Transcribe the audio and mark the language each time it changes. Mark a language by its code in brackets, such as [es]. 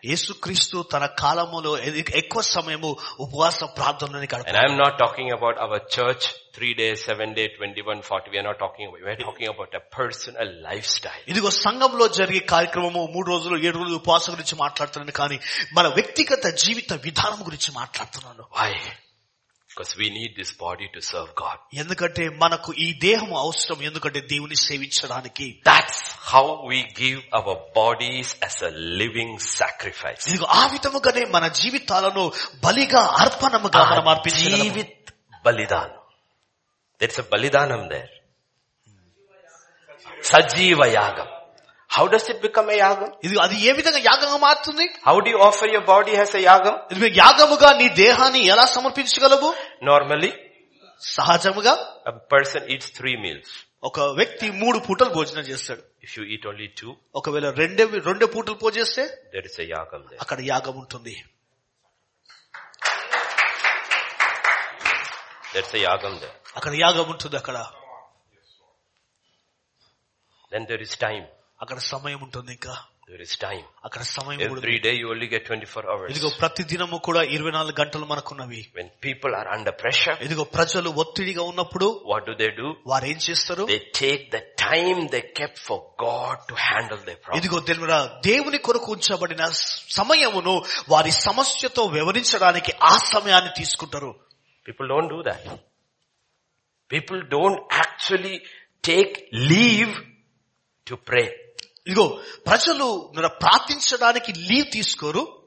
[te] యేసు క్రీస్తు తన కాలములో ఎక్కువ సమయము ఉపవాస ప్రార్థనని గడిపాడు. [en] And I'm not talking about our church 3 days, 7 days, 21, 40. We are not talking about. We are talking about a personal lifestyle. [te] ఇదిగో సంఘములో జరిగే కార్యక్రమము 3 రోజులు 7 రోజులు ఉపవాసం గురించి మాట్లాడుతున్నాను కానీ మన వ్యక్తిగత జీవిత విధానం గురించి మాట్లాడుతున్నాను. [en] Why? Because we need this body to serve God. [te] ఎందుకంటే మనకు ఈ దేహము అవసరం ఎందుకంటే దేవుని సేవించడానికి. [en] That's how we give our bodies as a living sacrifice. [te] ఇది ఆ విధముగానే మన జీవితాలను బలిగా అర్పణముగా మనం అర్పించగలము. జీవిత బలిదానం. [en] There's a balidanam there. [te] Sajiva yagam. [en] How does it become a yagam? [te] ఇది అది ఏ విధంగా యాగంగా మారుతుంది? [en] How do you offer your body as a yagam? [te] ఇది యాగముగా నీ దేహాన్ని ఎలా సమర్పించగలవు? [en] Normally, [te] సహజముగా [en] a person eats 3 meals. [te] ఒక వ్యక్తి 3 పూటలు భోజనం చేస్తాడు. [en] If you eat only 2, [te] ఒకవేళ రెండు పూటలు భోజిస్తే [en] there is a yagam there. [te] అక్కడ యాగం ఉంటుంది. [en] There's a yagam there. [te] అక్కడ యాగం ఉంటుంది అక్కడ. [en] Then there is time. [te] అక్కడ సమయం ఉంటుంది ఇంకా. [en] There is time. [te] అక్కడ సమయం ఉంటుంది. [en] Every day you only get 24 hours. [te] ఇదిగో ప్రతి దినము కూడా 24 గంటలు మనకున్నవి. [en] When people are under pressure. [te] ఇదిగో ప్రజలు ఒత్తిడిగా ఉన్నప్పుడు. [en] What do they do? [te] వారు ఏం చేస్తారు? [en] They take the time they kept for God to handle their problem. [te] ఇదిగో తెలుసా దేవుని కొరకు ఉంచబడిన సమయమును వారి సమస్యతో వివరించడానికి ఆ సమయాన్ని తీసుకుంటారు. [en] People don't do that. People don't actually take leave to pray. [te] Igo prajalu mira prarthinchadaniki leave teeskoru.